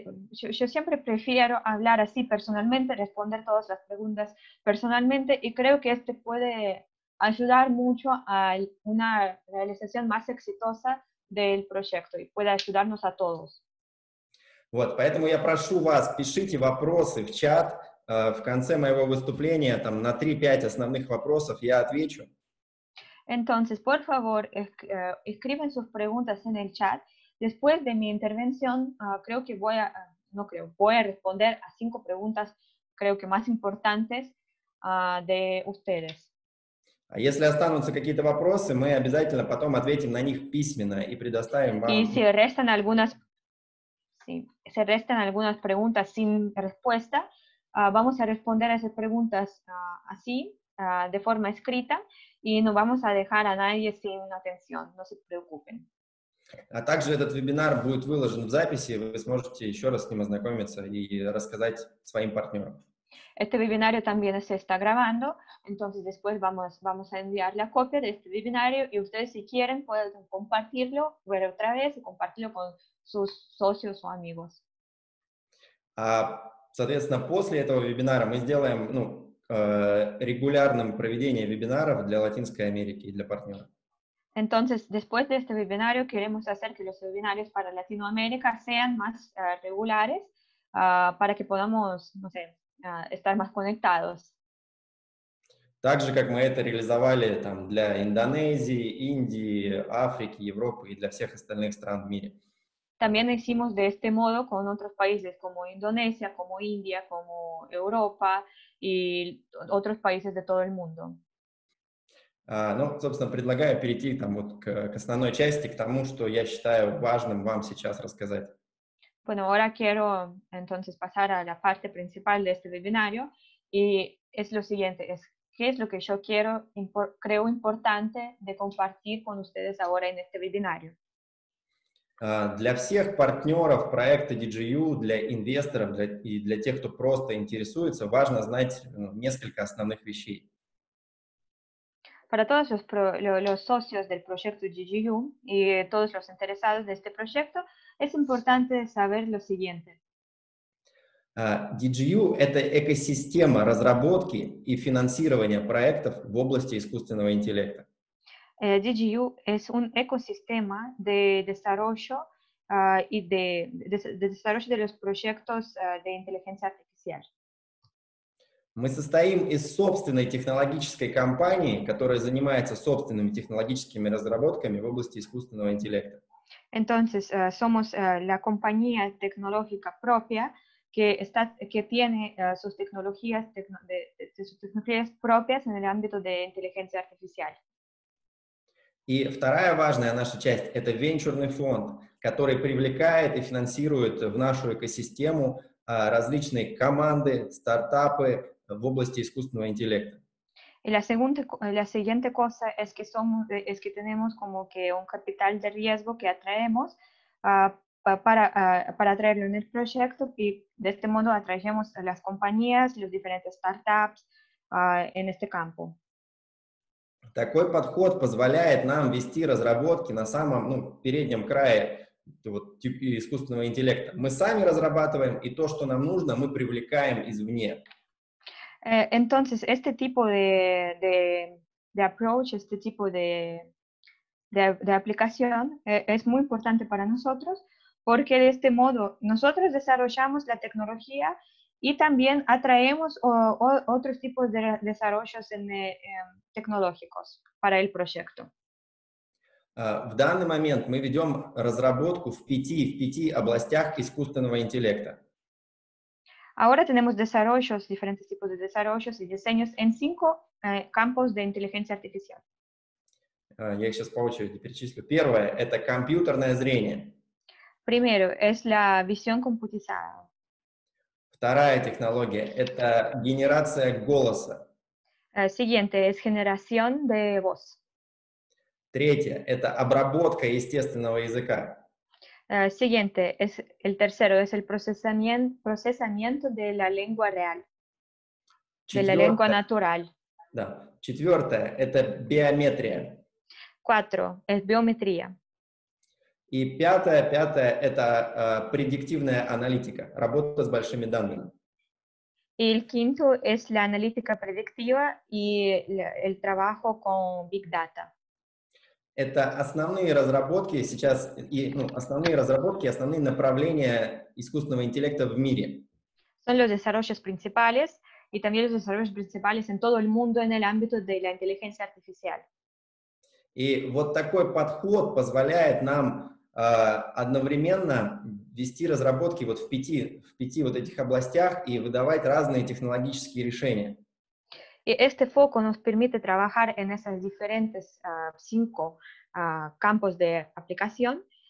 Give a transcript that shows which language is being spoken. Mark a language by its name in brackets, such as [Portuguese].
[Spanish] Yo siempre prefiero hablar así personalmente, responder todas las preguntas personalmente, y creo que este puede ayudar mucho a una realización más exitosa del proyecto y puede ayudarnos a todos. [Russian] Вот, поэтому я прошу вас, пишите вопросы в чат в конце моего выступления, там на 3-5 основных вопросов я отвечу. [Spanish] Entonces, por favor, escriben sus preguntas en el chat. Después de mi intervención, voy a responder a 5 preguntas, creo que más importantes de ustedes. [Russian] А если останутся какие-то вопросы, мы обязательно потом ответим на них письменно и предоставим вам. И если [Spanish] restan algunas, Sí, se restan algunas preguntas sin respuesta. Vamos a responder a esas preguntas así, de forma escrita, y no vamos a dejar a nadie sin atención, no se preocupen. [Russian] А также этот вебинар будет выложен в записи, вы сможете еще раз с ним ознакомиться и рассказать своим партнерам. [Spanish] Este webinario también se está grabando, entonces después vamos a enviar la copia de este webinario y ustedes si quieren pueden compartirlo, ver otra vez y compartirlo con sus socios o amigos. [Russian] Соответственно, после этого вебинара мы сделаем регулярным проведение вебинаров для Латинской Америки и для партнеров. [Spanish] Entonces, después de este webinario queremos hacer que los webinarios para Latinoamérica sean más regulares para que podamos, no sé, estar más conectados. [Russian] Так же, как мы это реализовали там, для Индонезии, Индии, Африки, Европы и для всех остальных стран в мире. [Spanish] También hicimos de este modo con otros países como Indonesia, como India, como Europa y otros países de todo el mundo. [Russian] Собственно, предлагаю перейти там, вот, к основной части, к тому, что я считаю важным вам сейчас рассказать. [Spanish] Bueno, ahora quiero entonces pasar a la parte principal de este webinario y es lo siguiente, es qué es lo que yo quiero, creo importante de compartir con ustedes ahora en este webinario. [Russian] Для всех партнеров проекта DGU, для инвесторов и для тех, кто просто интересуется, важно знать несколько основных вещей. [Spanish] Para todos los socios del proyecto DGU y todos los interesados de este proyecto, es importante saber lo siguiente. [Russian] DGU – это экосистема разработки и финансирования проектов в области искусственного интеллекта. [Spanish] DGU es un ecosistema de desarrollo y de desarrollo de los proyectos de inteligencia artificial. [Russian] Мы состоим из собственной технологической компании, которая занимается собственными технологическими разработками в области искусственного интеллекта. [Spanish] Entonces, somos la compañía tecnológica propia que tiene sus tecnologías de sus tecnologías propias en el ámbito de inteligencia artificial. [Russian] И вторая важная наша часть – это венчурный фонд, который привлекает и финансирует в нашу экосистему различные команды, стартапы в области искусственного интеллекта. [Spanish] Y la siguiente cosa es que somos, es que tenemos como que un capital de riesgo que atraemos para atraerlo en el proyecto y de este modo atraemos las compañías, los diferentes startups en este campo. [Russian] Такой подход позволяет нам вести разработки на самом переднем крае искусственного интеллекта. Мы сами разрабатываем, и то, что нам нужно, мы привлекаем извне. [Spanish] Entonces, este tipo de approach, este tipo de aplicación es muy importante para nosotros porque de este modo nosotros desarrollamos la tecnología y también atraemos otros tipos de desarrollos tecnológicos para el proyecto. [Russian] В данный момент мы ведем разработку в пяти областях искусственного интеллекта. [Spanish] Ahora tenemos desarrollos, diferentes tipos de desarrollos y diseños en 5 campos de inteligencia artificial. [Russian] Я их сейчас по очереди перечислю. Первое – это компьютерное зрение. [Spanish] Primero, es la visión computizada. [Russian] Вторая технология – это генерация голоса. [Spanish] Siguiente, es generación de voz. [Russian] Третье – это обработка естественного языка. [Spanish] Siguiente, es el tercero, es el procesamiento de la lengua real, de la lengua natural. [Russian] Да. Четвертое, это биометрия. [Spanish] 4, es biometría. [Russian] И пятое, это предиктивная аналитика, работа с большими данными. [Spanish] Y el quinto es la analítica predictiva y el trabajo con big data. [Russian] Это основные разработки сейчас, основные направления искусственного интеллекта в мире. [Spanish] Son los desarrollos principales y también los desarrollos principales en todo el mundo en el ámbito de la inteligencia artificial. [Russian] И вот такой подход позволяет нам одновременно вести разработки вот в пяти вот этих областях и выдавать разные технологические решения. [Spanish] Y este foco nos permite trabajar en esas diferentes 5 campos de aplicación